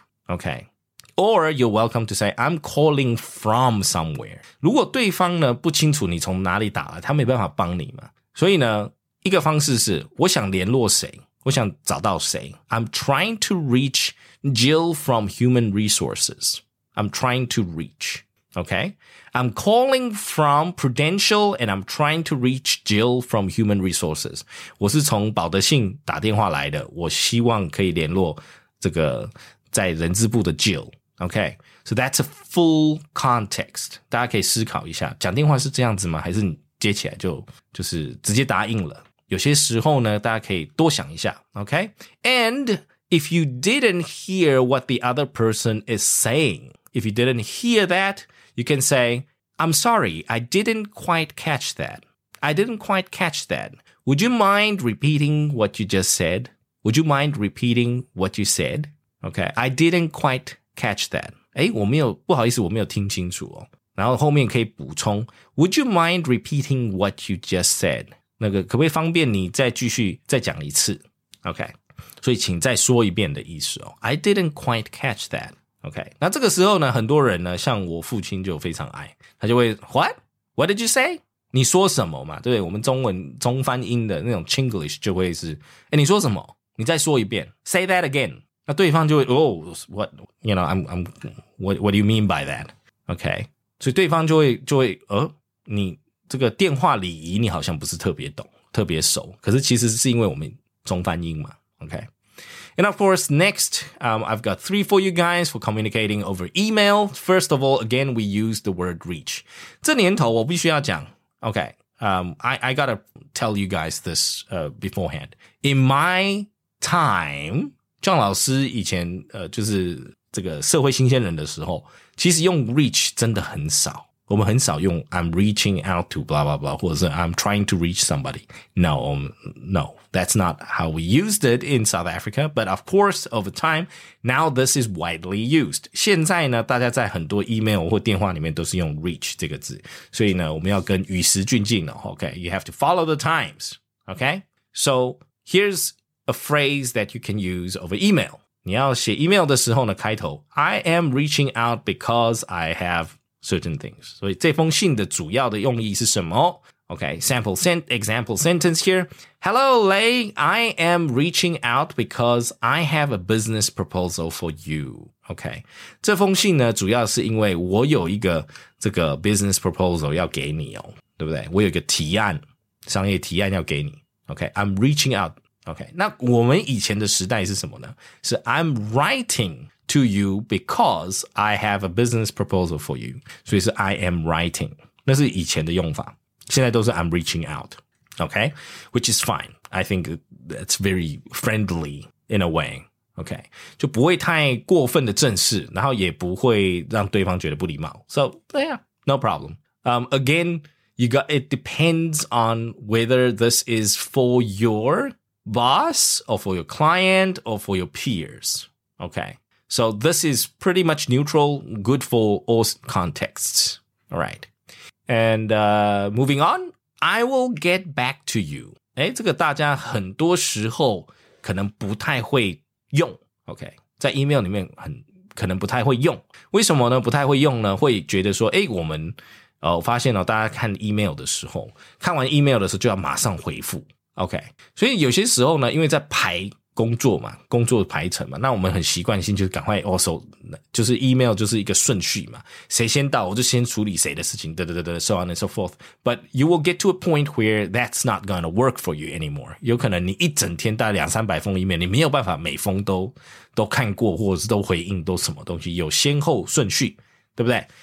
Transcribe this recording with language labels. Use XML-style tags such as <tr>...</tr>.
<en>Okay, or you're welcome to say, I'm calling from somewhere.</en> <zh>如果对方呢不清楚你从哪里打了，他没办法帮你嘛。所以呢一个方式是我想联络谁，我想找到谁。</zh> <en>I'm trying to reachJill from Human Resources. I'm trying to reach. Okay? I'm calling from Prudential and I'm trying to reach Jill from Human Resources.</en> <zh>我是从保德信打电话来的，我希望可以联络这个在人资部的 Jill.</zh> <en>Okay? So that's a full context.</en> <zh>大家可以思考一下，讲电话是这样子吗？还是你接起来就是直接答应了？有些时候呢，大家可以多想一下。</zh> <en>Okay? And... If you didn't hear what the other person is saying, if you didn't hear that, you can say, I'm sorry, I didn't quite catch that. I didn't quite catch that. Would you mind repeating what you just said? Would you mind repeating what you said? Okay, I didn't quite catch that.</en> <zh>诶，我没有，不好意思，我没有听清楚哦。然后后面可以补充，</zh> <en>Would you mind repeating what you just said?</en> <zh>那个，可不可以方便你再继续再讲一次？</zh> <en>Okay.</en> <zh>所以请再说一遍的意思哦。</zh> <en>I didn't quite catch that. Okay.</en> <zh>那这个时候呢很多人呢像我父亲就非常爱。他就会</zh> <en>What? What did you say?</en> <zh>你说什么嘛，对，我们中文中翻英的那种 Chinglish 就会是诶你说什么，你再说一遍。</zh> <en>Say that again.</en> <zh>那对方就会</zh> <en>Oh, what, you know, what do you mean by that? Okay.</en> <zh>所以对方就会你这个电话礼仪你好像不是特别懂。特别熟，可是其实是因为我们中翻英嘛。</zh> <en>Okay. And of course, next, I've got three for you guys for communicating over email. First of all, again, we use the word reach.</en> <zh>这年头我必须要讲</zh> <en>okay, I gotta tell you guys this beforehand. In my time,</en> <zh>壮老师以前就是这个社会新鲜人的时候，其实用 reach 真的很少。我们很少用</zh> <en>I'm reaching out to blah blah blah</en> <zh>或者是</zh> <en>I'm trying to reach somebody. No, no, that's not how we used it in South Africa. But of course, over time, now this is widely used.</en> <zh>现在呢，大家在很多 email 或电话里面都是用 reach 这个字。所以呢，我们要跟与时俱进了。</zh> <en>Okay, you have to follow the times. Okay, so here's a phrase that you can use over email.</en> <zh>你要写 email 的时候呢，开头</zh> <en>I am reaching out because I haveCertain things.</en> <zh>所以这封信的主要的用意是什么?</zh> <en>Okay, example sentence here. Hello, Lei. I am reaching out because I have a business proposal for you.</en> <zh>Okay, 这封信呢主要是因为我有一个这个 business proposal 要给你哦，对不对？我有一个提案，商业提案要给你。</zh> <en>Okay, I'm reaching out.</en> <zh>Okay, 那我们以前的时代是什么呢？</zh> <en>是 I'm writing. To you because I have a business proposal for you. 所以是 I am writing.</en> <zh>那是以前的用法。现在都是</zh> <en>I'm reaching out. Okay? Which is fine. I think that's very friendly in a way. Okay?</en> <zh>就不会太过分的正式，然后也不会让对方觉得不礼貌。</zh> <en>So, yeah, no problem. Again, it depends on whether this is for your boss or for your client or for your peers. Okay? So this is pretty much neutral, good for all contexts. All right. And moving on, I will get back to you.</en> <zh>诶，这个大家很多时候可能不太会用。 Okay. 在 email 里面很可能不太会用。为什么呢？不太会用呢？会觉得说，诶，我们发现了大家看 email 的时候，看完 email 的时候就要马上回复。Okay. 所以有些时候呢，因为在排工作嘛，工作排程嘛，那我们很习惯性就是赶快 also 就是 email 就是一个顺序嘛，谁先到我就先处理谁的事情，对对对对 ，</zh> <en>so on and so forth. But you will get to a point where that's not going to work for you anymore.</en> <zh>有可能你一整天带两三百封 email， 你没有办法每封都看过或者是都回应都什么东西，有先后顺序，对不对？</zh>